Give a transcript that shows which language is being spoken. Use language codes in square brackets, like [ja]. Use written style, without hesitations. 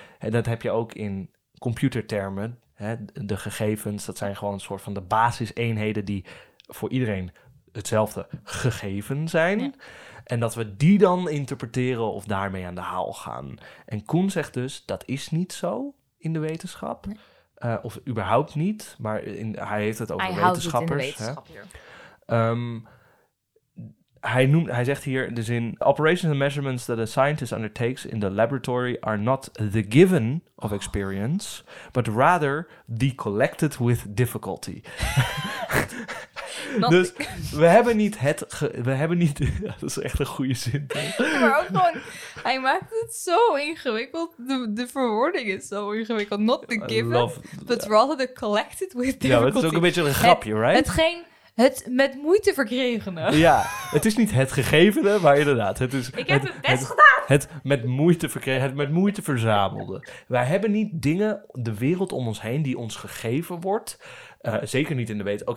[nl] Dat heb je ook in computertermen. De gegevens, dat zijn gewoon een soort van de basiseenheden die voor iedereen hetzelfde gegeven zijn. Ja. En dat we die dan interpreteren of daarmee aan de haal gaan. En Kuhn zegt dus, dat is niet zo in de wetenschap. Nee. Of überhaupt niet, maar hij heeft het over wetenschappers. Hij houdt het in de wetenschap. Hij zegt hier de zin, [en] operations and measurements that a scientist undertakes in the laboratory are not the given of experience, but rather the collected with difficulty. [nl] Dus we hebben niet het... dat is echt een goede zin. Maar ook gewoon... Hij maakt het zo ingewikkeld. De verwoording is zo ingewikkeld. [en] Not the given, but rather the collected with difficulty. [nl] Ja, het is ook een beetje een grapje, right? Hetgeen... Het met moeite verkregene. Ja, het is niet het gegevene, maar inderdaad. Het is ik heb het best gedaan. Het met moeite verkregen, het met moeite verzamelde. Wij hebben niet dingen, de wereld om ons heen, die ons gegeven wordt. Zeker niet in de wetenschap.